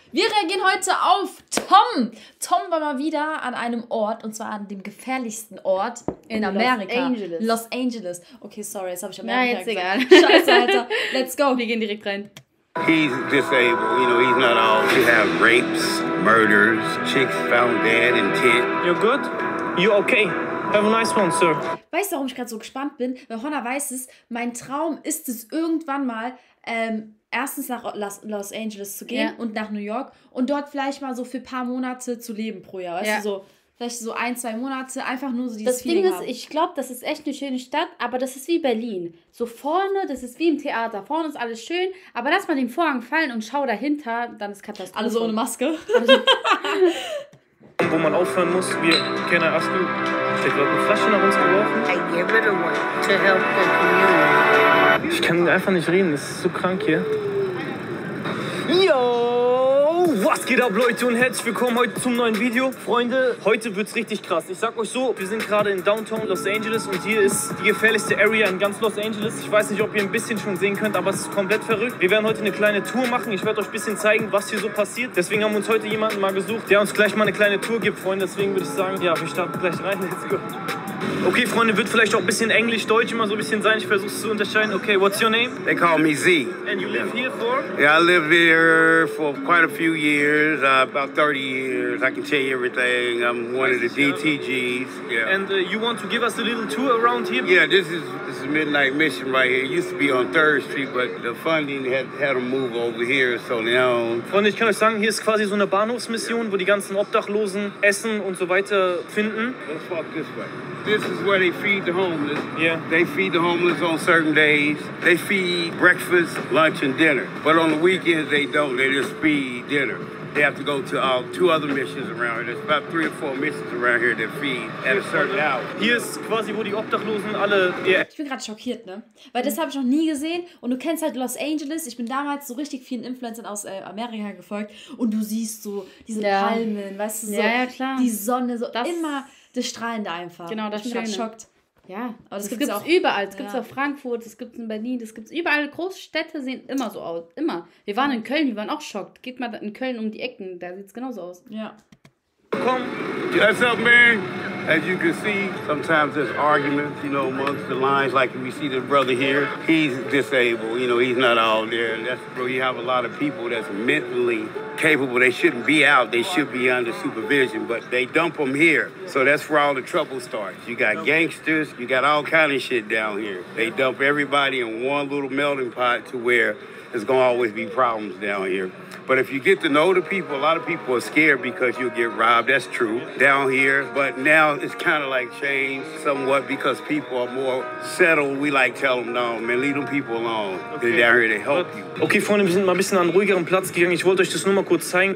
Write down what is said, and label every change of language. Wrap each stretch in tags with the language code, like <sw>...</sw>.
<de>Wir reagieren heute auf Tom. Tom war mal wieder an einem Ort, und zwar an dem gefährlichsten Ort in Amerika. Los Angeles. Okay, sorry, jetzt habe ich Amerika gesagt. Scheiße, Alter.</de> <en>Let's go.</en> <de>Wir gehen direkt rein.</de> <en>He's disabled, you know, he's not all. We have rapes, murders, chicks found dead in tent. You're good? You're okay? Have a nice one, sir.</en> <de>Weißt du, warum ich gerade so gespannt bin? Weil Honna weiß es, mein Traum ist es irgendwann mal, erstens nach Los Angeles zu gehen und nach New York und dort vielleicht mal so für ein paar Monate zu leben pro Jahr. Weißt du, so vielleicht so 1-2 Monate, einfach nur so dieses Feeling. Das Ding ist, ich glaube, das ist echt eine schöne Stadt, aber das ist wie Berlin. So vorne, das ist wie im Theater. Vorne ist alles schön, aber lass mal den Vorhang fallen und schau dahinter, dann ist Katastrophe. Alle so ohne Maske. Wo man aufhören muss, wir kennen Aske. Ich hab gerade eine Flasche nach uns geworfen.</de> <en>I give it away to help the community.</en> <de>Ich kann einfach nicht reden, es ist so krank hier. Yo, was geht ab, Leute, und herzlich willkommen heute zum neuen Video. Freunde, heute wird's richtig krass. Ich sag euch so, wir sind gerade in Downtown Los Angeles und hier ist die gefährlichste Area in ganz Los Angeles. Ich weiß nicht, ob ihr ein bisschen schon sehen könnt, aber es ist komplett verrückt. Wir werden heute eine kleine Tour machen. Ich werde euch ein bisschen zeigen, was hier so passiert. Deswegen haben wir uns heute jemanden mal gesucht, der uns gleich mal eine kleine Tour gibt, Freunde. Deswegen würde ich sagen, ja, wir starten gleich rein.</de> <en>Let's go.</en> <de>Okay, Freunde, wird vielleicht auch ein bisschen Englisch-Deutsch immer so ein bisschen sein. Ich versuche es zu unterscheiden.</de> <en>Okay, what's your name? They call me Z. And you live here for? Yeah, I live here for quite a few years, about 30 years. I can tell you everything. I'm one of the DTGs. Yeah. And you want to give us a little tour around here? Yeah, this is Midnight Mission right here. It used to be on 3rd Street, but the funding had to move over here, so now...</en> <de>Freunde, ich kann euch sagen, hier ist quasi so eine Bahnhofsmission, wo die ganzen Obdachlosen Essen und so weiter finden.</de> <en>Let's walk this way. This is where they feed the homeless. Yeah. They feed the homeless on certain days. They feed breakfast, lunch, and dinner. But on the weekends, they don't. They just feed dinner. They have to go to two other missions around here. There's about 3 or 4 missions around here that feed at a certain hour.</en> <de>Hier ist quasi, wo die Obdachlosen alle... Ich bin gerade schockiert, ne? Weil das habe ich noch nie gesehen. Und du kennst halt Los Angeles. Ich bin damals so richtig vielen Influencern aus Amerika gefolgt. Und du siehst so diese Palmen, weißt du? So klar. Die Sonne, so das immer... Das Strahlende einfach. Genau, das Schöne. Ich bin schockt. Ja, aber das gibt es überall. Es gibt es auch Frankfurt, es gibt es in Berlin, das gibt es überall. Großstädte sehen immer so aus. Immer. Wir waren in Köln, wir waren auch schockt. Geht mal in Köln um die Ecken, da sieht es genauso aus. Ja.</de> <en>Komm. What's up, man? As you can see, sometimes there's arguments, you know, amongst the lines. Like we see this brother here. He's disabled, you know, he's not out there. That's, bro, you have a lot of people that's mentally capable. They shouldn't be out. They should be under supervision, but they dump them here. So that's where all the trouble starts. You got gangsters. You got all kind of shit down here. They dump everybody in one little melting pot to where there's gonna always be problems down here. But if you get to know the people, a lot of people are scared because you'll get robbed. That's true down here. But now it's kind of like changed somewhat because people are more settled. We like tell them, no, man, leave them people alone. Okay. They're down here to help you.</en> <de>Okay, Freunde, wir sind mal ein bisschen an einen ruhigeren Platz gegangen. Ich wollte euch das nur mal kurz zeigen.</de>